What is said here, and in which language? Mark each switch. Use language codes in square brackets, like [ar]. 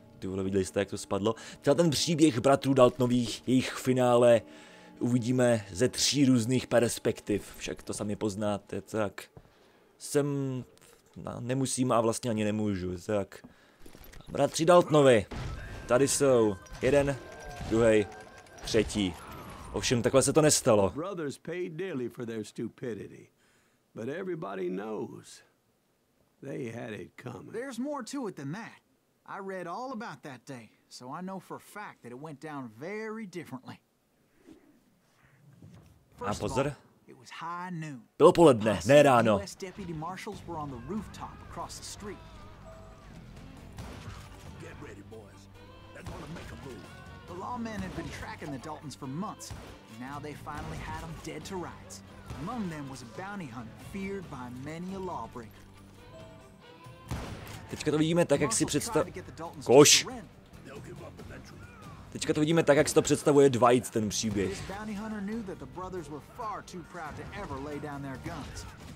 [cs] Ty vole, viděli jste, jak to spadlo? Třeba ten příběh bratrů Daltonových, jejich finále, uvidíme ze tří různých perspektiv. Však to sami poznáte, tak. Nemusím a vlastně ani nemůžu, tak. Bratři Daltonovi, tady jsou. Jeden, druhý, třetí. Ovšem takhle se to nestalo. [en] Brothers pay dearly for their stupidity. But everybody knows they had it coming. There's more to it than that. I read all about that day, so I know for a fact that it went down very differently. [cs] A pozor. [en] It was high noon. [cs] Bylo poledne, ne ráno. [en] US deputy marshals were on the rooftop across the street. Get ready, boys. They're gonna make a move. The lawmen had been tracking the Daltons for months, and now they finally had them dead to rights. Among them was a bounty hunter feared by many a lawbreaker. [cs] Teďka to vidíme tak, jak si představuje. Koš! Teďka to vidíme tak, jak si to představuje Dwight, ten příběh. [en] This bounty hunter knew that the brothers were far too proud to ever lay down their guns.